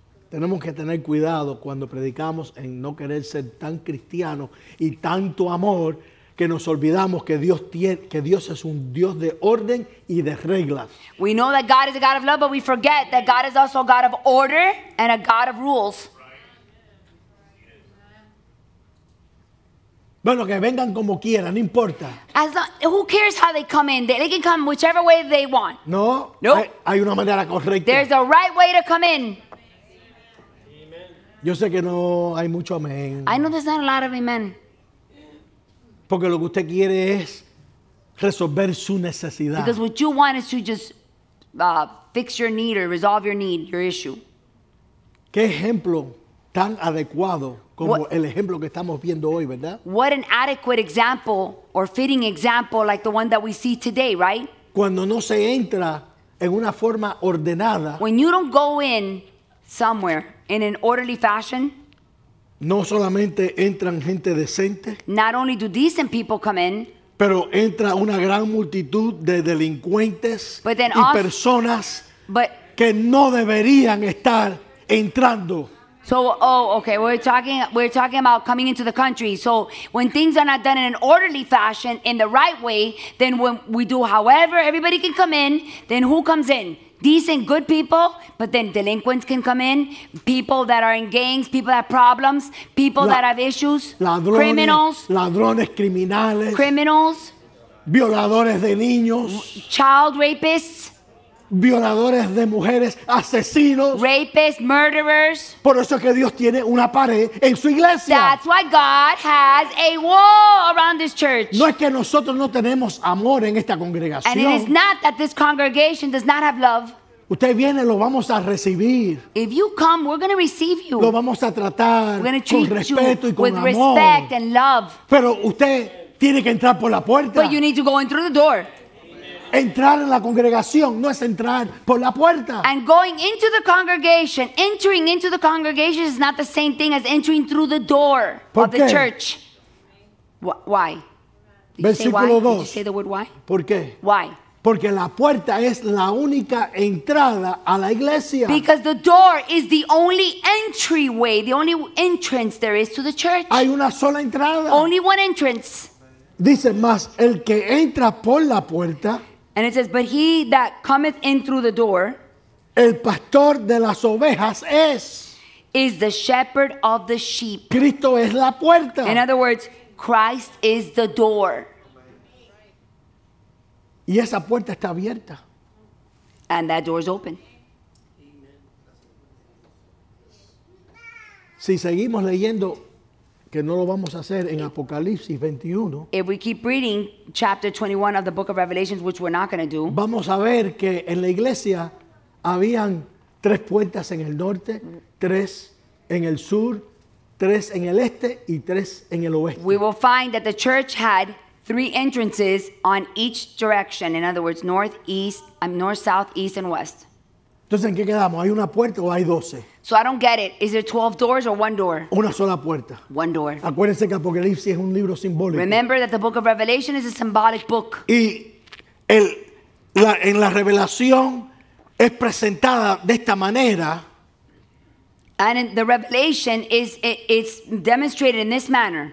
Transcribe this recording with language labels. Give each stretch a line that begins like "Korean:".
Spanish: Tenemos que tener cuidado cuando predicamos en no querer ser tan cristiano y tanto amor. Que nos olvidamos que Dios tiene, que Dios es un Dios de orden y de reglas.
English: We know that God is a God of love, but we forget that God is also a God of order and a God of rules.
Spanish: Bueno, que vengan como quieran, no importa.
English: As long, who cares how they come in? They can come whichever way they want. No, nope.
Spanish: Hay una manera correcta.
English: There's a right way to come in.
Spanish: Yo sé que no hay mucho amén.
English: I know there's not a lot of amen.
Spanish: Porque lo que usted quiere es resolver su necesidad.
English: Because what you want is to just fix your need or resolve your need, your issue.
Spanish: ¿Qué ejemplo tan adecuado como what, el ejemplo que estamos viendo hoy, verdad?
English: What an adequate example or fitting example like the one that we see today, right?
Spanish: Cuando no se entra en una forma ordenada.
English: When you don't go in somewhere in an orderly fashion.
Spanish: No solamente entran gente decente.
English: Not only do decent people come in.
Spanish: Pero entra una gran multitud de delincuentes y personas que no deberían estar entrando.
English: So, oh, okay, we're talking about coming into the country. So when things are not done in an orderly fashion, in the right way, then when we do however everybody can come in, then who comes in? Decent, good people, but then delinquents can come in. People that are in gangs, people that have problems, people that have issues.
Spanish: Ladrones, criminals. Ladrones, criminales.
English: Criminals.
Spanish: Violadores de niños.
English: Child rapists.
Spanish: Violadores de mujeres, asesinos.
English: Rapists, murderers.
Spanish: Por eso es que Dios tiene una pared en su iglesia.
English: That's why God has a wall around this church.
Spanish: No es que nosotros no tenemos amor en esta congregación.
English: And it is not that this congregation does not have love.
Spanish: Usted viene, lo vamos a recibir.
English: If you come, we're going to receive you.
Spanish: Lo vamos a tratar con respeto y con amor.
English: We're going to treat you with respect and love.
Spanish: Pero usted tiene que entrar por la puerta.
English: But you need to go in through the door.
Spanish: Entrar en la congregación no es entrar por la puerta.
English: And going into the congregation, entering into the congregation is not the same thing as entering through the door of the church. Why?
Spanish: Versículo 2.
English: Did you say the word why?
Spanish: ¿Por qué?
English: Why?
Spanish: Porque la puerta es la única entrada a la iglesia.
English: Because the door is the only entryway, the only entrance there is to the church.
Spanish: Hay una sola entrada.
English: Only one entrance.
Spanish: Dice más, el que entra por la puerta.
English: And it says, but he that cometh in through the door,
Spanish: el pastor de las ovejas es,
English: is the shepherd of the sheep.
Spanish: Cristo es la puerta.
English: In other words, Christ is the door.
Spanish: Y esa puerta está abierta.
English: And that door is open.
Spanish: Si seguimos leyendo, que no lo vamos a hacer en Apocalipsis 21.
English: If we keep reading chapter 21 of the book of Revelations, which we're not going to do.
Spanish: Vamos a ver que en la iglesia habían tres puertas en el norte, tres en el sur, tres en el este y tres en el oeste.
English: We will find that the church had three entrances on each direction. In other words, north, east, north, south, east, and west.
Spanish: Entonces, ¿en qué quedamos? ¿Hay una puerta o hay 12?
English: So I don't get it. Is there 12 doors or one door?
Spanish: Una sola puerta.
English: One door.
Spanish: Acuérdense que Apocalipsis es un libro simbólico.
English: Remember that the book of Revelation is a symbolic book.
Spanish: Y en la revelación es presentada de esta manera.
English: And the revelation is it's demonstrated in this manner.